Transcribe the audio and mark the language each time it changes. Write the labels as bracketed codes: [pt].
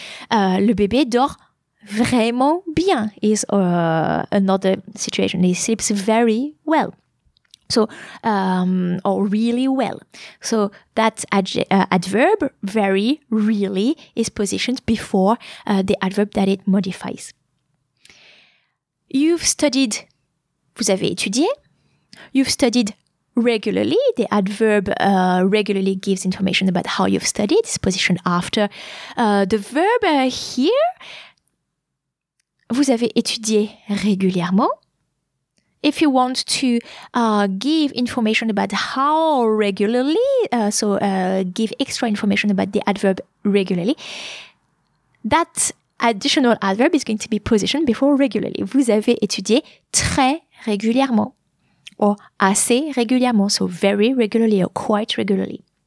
[fr] Le bébé dort vraiment bien [en] is another situation. He sleeps very well. So, or really well. So that adverb, very, really, is positioned before the adverb that it modifies. You've studied, [fr] vous avez étudié. [en] You've studied regularly. The adverb regularly gives information about how you've studied. It's positioned after the verb here. [fr] Vous avez étudié régulièrement. [en] If you want to give information about how regularly, give extra information about the adverb regularly, that additional adverb is going to be positioned before regularly. [fr] Vous avez étudié très régulièrement [en] or [fr] assez régulièrement, [en] so very regularly or quite regularly.